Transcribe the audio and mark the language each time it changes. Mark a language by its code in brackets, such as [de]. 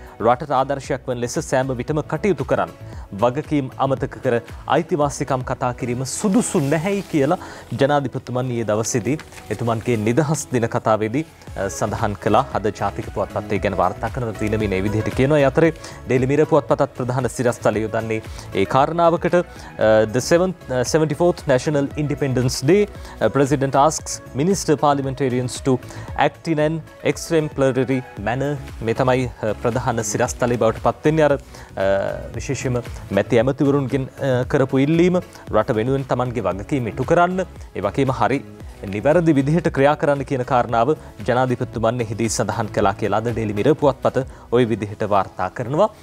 [si] රටට ආදර්ශයක් වන ලෙස සෑම විටම කටයුතු කරන්න. වගකීම් අමතක කර අයිතිවාසිකම් කතා කිරීම සුදුසු නැහැයි කියලා ජනාධිපතිතුමන් ඊයේ දවසේදී එතුමන්ගේ නිදහස් දින කතාවේදී සඳහන් කළා. අද ජාතික පුවත්පත්ය ගැන වාර්තා කරන දිනමින් ඒ විදිහට කියනවා. ඒ අතරේ ඩෙලි මිර පුවත්පතත් ප්‍රධාන සිරස්තලය යොදන්නේ ඒ කාරණාවකට. [en] The 74th National Independence Day, President asks Minister Parliamentarians to act in an exemplary manner. [si] මේ තමයි ප්‍රධාන සිරස්තලය බවට පත් වෙන්නේ. අර විශේෂයෙන්ම මැති ඇමතිවරුන්ගෙන් කරපු ඉල්ලීම රට වෙනුවෙන් තමන්ගේ වගකීම් ඉටු කරන්න ඒ වගේම හරි නිවැරදි විදිහට ක්‍රියා කරන්න කියන කාරණාව ජනාධිපතිතුමන් එහිදී සඳහන් කළා කියලා අද ඩෙලි මිර පුවත්පත ওই විදිහට වාර්තා කරනවා.